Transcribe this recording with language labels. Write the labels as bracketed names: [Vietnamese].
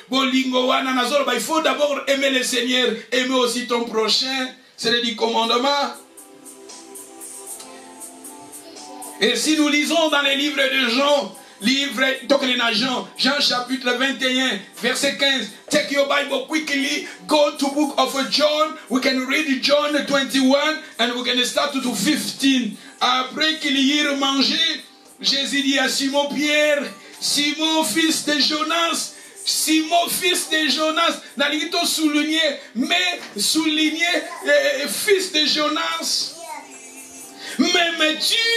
[French] Bolingoana, il faut d'abord aimer le Seigneur, aimer aussi ton prochain. C'est le commandement. Et si nous lisons dans les livres de Jean, livre donc les agents, Jean chapitre 21, verset 15. [English] Take your Bible quickly, go to book of John. We can read John 21 and we can start to 15. [French] Après qu'il y eut mangé, Jésus dit à Simon Pierre, Simon fils de Jonas, Simon fils de Jonas, n'allez pas souligner, mais souligner fils de Jonas. M'aimes-tu?